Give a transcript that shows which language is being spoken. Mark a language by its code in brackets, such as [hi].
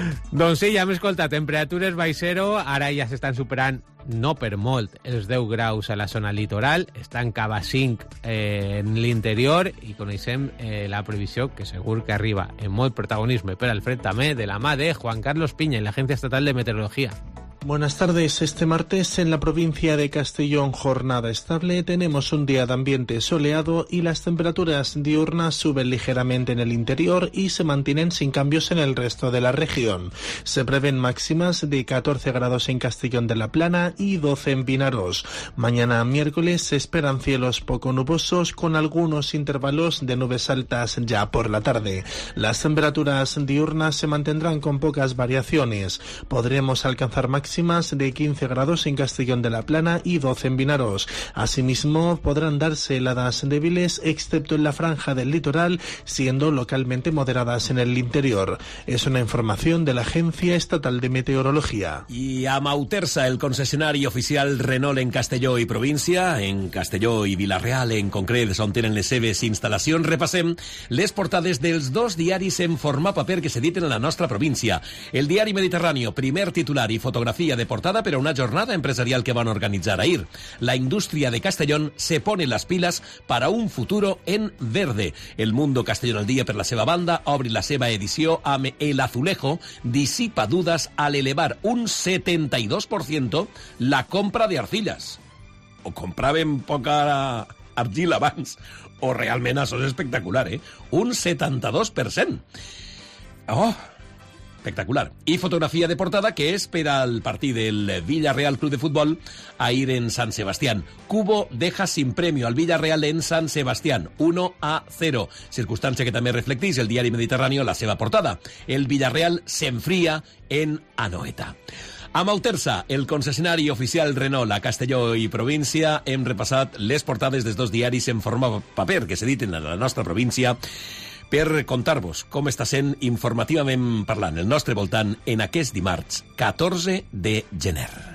[ca] Doncs sí, ja hem escoltat, temperatures baix zero, ara ja s'estan superant, no per molt, els 10 graus a la zona litoral, estan cap a 5 en l'interior i coneixem la previsió, que segur que arriba en molt protagonisme per al fred també, de la mà de Juan Carlos Piña i l'Agència Estatal de Meteorologia. [es] Buenas tardes. Este martes en la provincia de Castellón, jornada estable, tenemos un día de ambiente soleado y las temperaturas diurnas suben ligeramente en el interior y se mantienen sin cambios en el resto de la región. Se prevén máximas de 14 grados en Castellón de la Plana y 12 en Vinaroz. Mañana miércoles se esperan cielos poco nubosos con algunos intervalos de nubes altas ya por la tarde. Las temperaturas diurnas se mantendrán con pocas variaciones. Podremos alcanzar máximas de 15 grados en Castellón de la Plana y 12 en Vinaroz. Asimismo, podrán darse heladas débiles, excepto en la franja del litoral, siendo localmente moderadas en el interior. Es una información de la Agencia Estatal de Meteorología. Y a Mautersa, el concesionario oficial Renault en Castelló y provincia, en Castelló y Villarreal, [ca] en concret, on tenen les seves instal·lacions, repassem les portades dels dos diaris en format paper que s'editen a la nostra província. El diari Mediterráneo, primer titular i fotografia de portada per a una jornada empresarial que van organitzar ahir. [es] La indústria de Castellón se pone las pilas para un futuro en verde. [ca] El Mundo Castellón al día, per la seva banda, obre la seva edició amb [es] El Azulejo disipa dudas al elevar un 72% la compra de arcillas. [ca] O compraven poca argila abans, o realment això és espectacular, eh? Un 72%. Oh! Espectacular. I fotografia de portada que és per al partit del Villarreal Club de Futbol ahir en Sant Sebastián. [es] Cubo deja sin premio al Villarreal en Sant Sebastián. 1-0. [ca] Circunstància que també reflecteix el diari Mediterráneo la seva portada. El Villarreal s'enfria en Anoeta. A Mautersa, el concessionari oficial Renault a Castelló i província, hem repassat les portades dels dos diaris en format paper que s'editen a la nostra província per contar-vos com està sent informativament parlant el nostre voltant en aquest dimarts 14 de gener.